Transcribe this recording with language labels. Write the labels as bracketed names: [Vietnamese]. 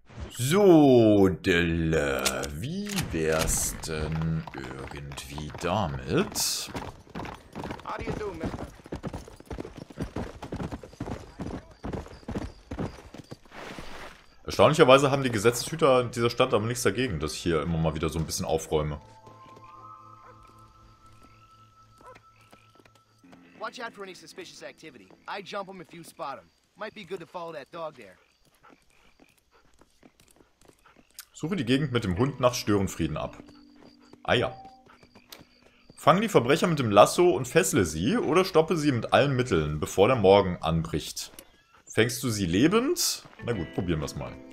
[German] So, Delle. Wie wär's denn irgendwie damit? [English] How do you do, Mr.? [German] Erstaunlicherweise haben die Gesetzeshüter dieser Stadt aber nichts dagegen, dass ich hier immer mal wieder so ein bisschen aufräume. [English] Watch out for any suspicious activity. I jump them if you spot them. Might be good to follow that dog there. [German] Suche die Gegend mit dem Hund nach Störenfrieden ab. Ah ja. Fange die Verbrecher mit dem Lasso und fessle sie oder stoppe sie mit allen Mitteln, bevor der Morgen anbricht. Fängst du sie lebend? Na gut, probieren wir es mal.